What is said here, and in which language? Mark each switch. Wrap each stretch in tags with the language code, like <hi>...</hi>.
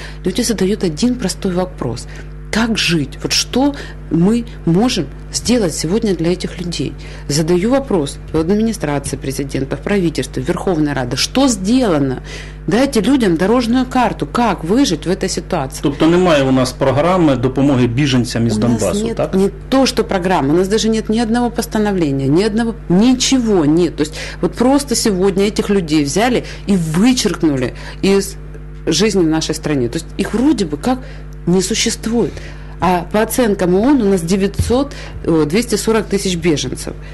<ru>Люди задают один простой вопрос. Как жить? Вот что мы можем сделать сегодня для этих людей? Задаю вопрос в администрации президента, в правительстве, в Верховной Раде. Что сделано? Дайте людям дорожную карту. Как выжить в этой ситуации?</ru> <uk>Тобто немає у нас программы допомоги біженцям из Донбасу,</uk> <ru>нет, так? Не то, что программа. У нас даже нет ни одного постановления, ни одного... Ничего нет. То есть вот просто сегодня этих людей взяли и вычеркнули из жизни в нашей стране. То есть их вроде бы как... не существует. А по оценкам ООН у нас 240 тысяч беженцев.</ru>